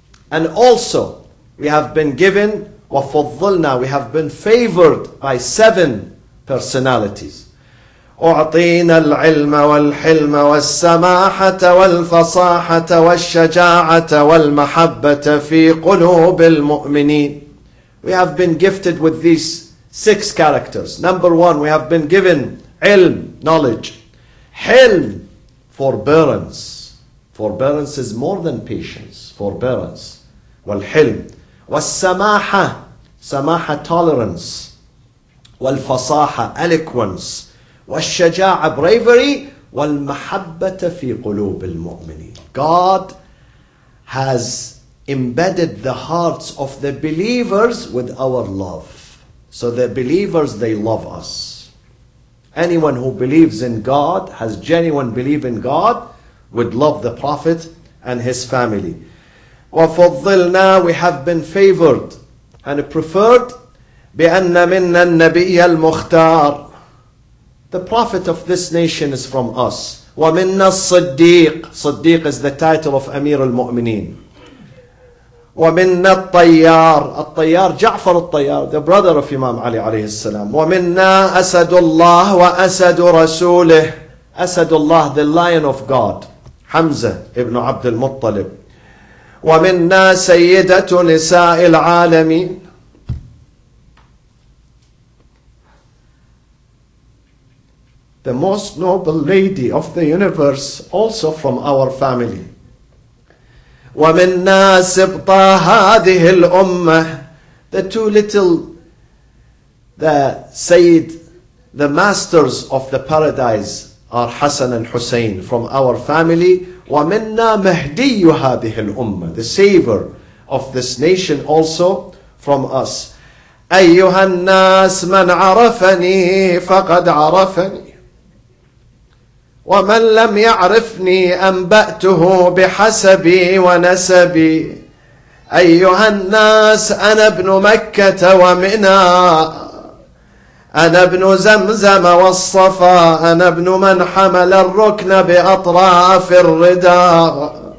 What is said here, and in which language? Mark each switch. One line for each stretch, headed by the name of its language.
English: And also, we have been given
Arabic: وَفَضَّلْنَا
English: We have been favored by seven personalities.
Arabic: أُعْطِينَا الْعِلْمَ وَالْحِلْمَ وَالسَّمَاحَةَ وَالْفَصَاحَةَ وَالشَّجَاعَةَ وَالْمَحَبَّةَ فِي قُلُوبِ الْمُؤْمِنِينَ
English: We have been gifted with these six characters. Number one, we have been given ilm, knowledge. Hilm, forbearance. Forbearance is more than patience. Forbearance.
Arabic: وَالْحِلْم وَالسَّمَاحَةَ سَمَاحَةَ
English: tolerance
Arabic: وَالْفَصَاحَةَ
English: eloquence
Arabic: وَالشَّجَاعَةَ
English: bravery
Arabic: وَالْمَحَبَّةَ فِي قُلُوبِ الْمُؤْمِنِينَ
English: God has embedded the hearts of the believers with our love. So the believers, they love us. Anyone who believes in God, has genuine belief in God, would love the Prophet and his family.
Arabic: وَفَضِّلْنَا
English: We have been favored and preferred
Arabic: بِأَنَّ مِنَّا النَّبِيَّ الْمُخْتَارِ
English: The Prophet of this nation is from us.
Arabic: وَمِنَّا الصِّدِّيقِ
English: Siddiq is the title of Amir al-Mu'mineen.
Arabic: وَمِنَّا الطَّيَّارِ الطَّيَّارِ جَعْفَر الطَّيَّارِ
English: The brother of Imam Ali alayhi salam.
Arabic: وَمِنَّا أَسَدُ اللَّهِ وَأَسَدُ رَسُولِهِ أَسَدُ اللَّهِ
English: The Lion of God. Hamza ibn Abd al-Muttalib.
Arabic: ومنا سيدة نساء العالمين
English: The most noble lady of the universe also from our family
Arabic: ومنا سبطة هذه الأمة
English: The two little the Sayyid the masters of the paradise are Hassan and Hussein from our family
Arabic: وَمِنَّا مَهْدِيُّ هَذِهِ الْأُمَّةِ
English: The savior of this nation also from us.
Arabic: أَيُّهَا النَّاسِ مَنْ عَرَفَنِي فَقَدْ عَرَفَنِي وَمَنْ لَمْ يَعْرِفْنِي أَنْبَأْتُهُ بِحَسَبِي وَنَسَبِي أَيُّهَا النَّاسِ أَنَا ابْنُ مَكَّةَ وَمِنَا أنا ابن زمزم والصفا أنا ابن من حمل الركن بأطراف الردى